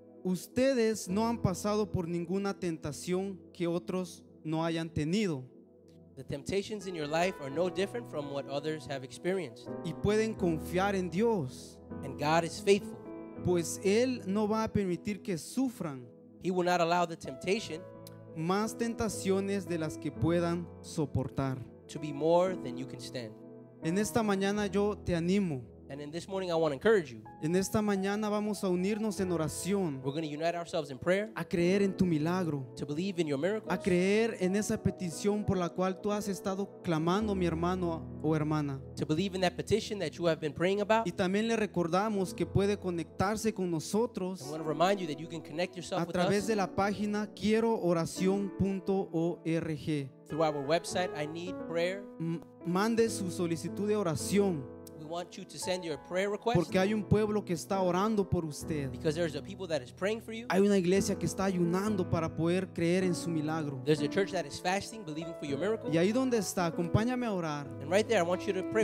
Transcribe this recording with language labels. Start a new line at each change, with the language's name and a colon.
Spanish: Ustedes no han pasado por ninguna tentación que otros no hayan tenido.
English: The temptations in your life are no different from what others have experienced.
Spanish: Y pueden confiar en Dios.
English: And God is faithful.
Spanish: Pues Él no va a permitir que sufran.
English: He will not allow the temptation.
Spanish: Más tentaciones de las que puedan soportar.
English: To be more than you can stand.
Spanish: En esta mañana yo te animo.
English: And in this morning I want to encourage you.
Spanish: En esta mañana vamos a unirnos en oración.
English: We're going to unite ourselves in prayer.
Spanish: A creer en tu milagro.
English: To believe in your miracles.
Spanish: A creer en esa petición por la cual tú has estado clamando, mi hermano o hermana.
English: To believe in that petition that you have been praying about.
Spanish: Y también le recordamos que puede conectarse con nosotros.
English: I want to remind you that you can connect yourself with us.
Spanish: A través de la página quierooracion.org.
English: Through our website, I need prayer.
Spanish: Mande su solicitud de oración.
English: We want you to send your prayer request.
Spanish: Porque hay un pueblo que está orando por usted.
English: Because there's a people that is praying for you.
Spanish: Hay una iglesia que está ayunando para poder creer en su milagro.
English: There's a church that is fasting, believing for your miracle.
Spanish: Y ahí donde está, acompáñame a orar.
English: And right there, I want you to pray.